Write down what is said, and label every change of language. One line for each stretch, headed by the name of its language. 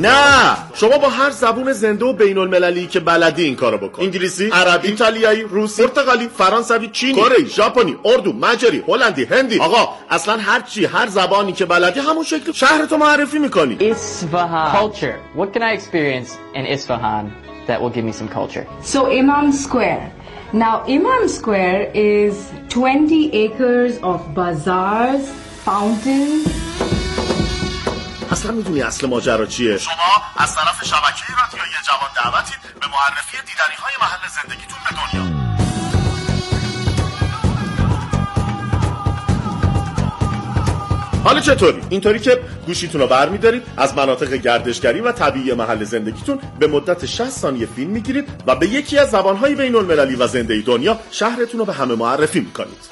Persian: نه، شما با هر زبون زنده و بین المللی که بلدی این کارو بکن. انگلیسی، عربی، ایتالیایی، روسی، پرتغالی، فرانسوی، چینی، کره‌ای، ژاپنی، اردو، مجری، هلندی، هندی. آقا اصلا هر چی، هر زبانی که بلدی همون شکلی شهرتو معرفی میکنی.
English: Isfahan culture. What can I experience in Isfahan that will give me some culture? So Imam Square. Now Imam Square is 20 acres of bazaars, fountains.
Persian: اصلا میدونی اصل ماجرا چیه؟ شما از طرف شبکه رادیویی جوان دعوتید به معرفی دیدنی های محل زندگیتون به دنیا. حالا چطوری؟ اینطوری که گوشیتون رو برمیدارید، از مناطق گردشگری و طبیعی محل زندگیتون به مدت 60 ثانیه فیلم میگیرید و به یکی از زبانهای بین المللی و زنده دنیا شهرتون رو به همه معرفی میکنید.